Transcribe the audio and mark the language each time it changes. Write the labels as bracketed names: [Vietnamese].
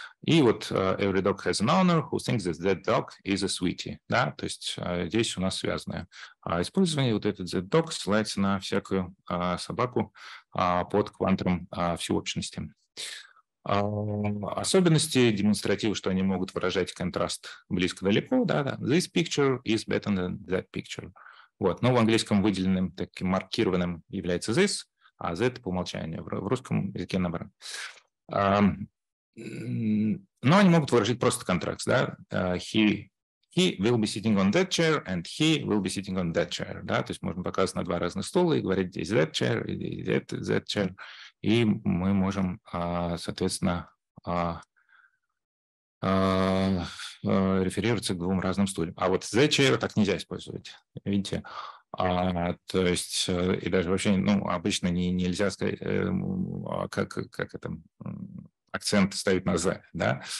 [Russian] И вот [English] every dog has an owner who thinks that that dog is a sweetie, [Russian] да, то есть здесь у нас связанное использование, вот этот that dog ссылается на всякую собаку под квантом всеобщности. Особенности демонстративы, что они могут выражать контраст близко-далеко, да, да. [English] This picture is better than that picture. [Russian] Вот. Но в английском выделенным, таким маркированным является this, а z по умолчанию, в русском языке наоборот. Но они могут выражать просто контраст, да. [English] He will be sitting on that chair and he will be sitting on that chair, да. [Russian] То есть можно показывать на два разных стула и говорить [English] is that chair, is that chair. [Russian] И мы можем, соответственно, реферироваться к двум разным стульям. А вот the chair так нельзя использовать, видите? То есть, и даже вообще, ну, обычно нельзя сказать, как это, акцент ставить на the, да?